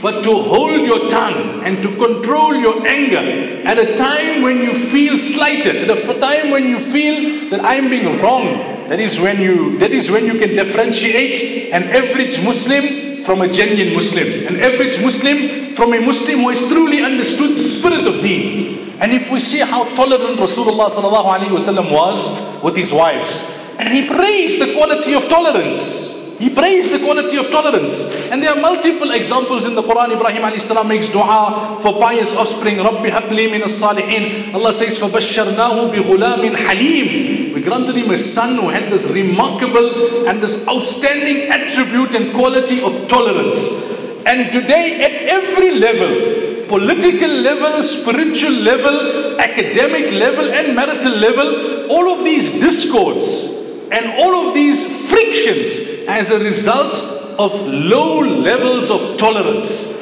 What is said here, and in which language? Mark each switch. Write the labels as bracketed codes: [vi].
[en] But to hold your tongue and to control your anger at a time when you feel slighted, at a time when you feel that I'm being wrong, that is when you can differentiate an average Muslim from a genuine Muslim, an average Muslim from a Muslim who has truly understood the spirit of deen. And if we see how tolerant Rasulullah sallallahu alaihi wasallam was with his wives, and he praised the quality of tolerance. He praised the quality of tolerance. And there are multiple examples in the Quran. Ibrahim a.s. makes dua for pious offspring. [ar] Rabbi habli min as-salihin. [en] Allah says, [ar] فَبَشَّرْنَاهُ بِغُلَامٍ حَلِيمٍ. [en] We granted him a son who had this remarkable and this outstanding attribute and quality of tolerance. And today, at every level, political level, spiritual level, academic level, and marital level, all of these discords and all of these frictions as a result of low levels of tolerance.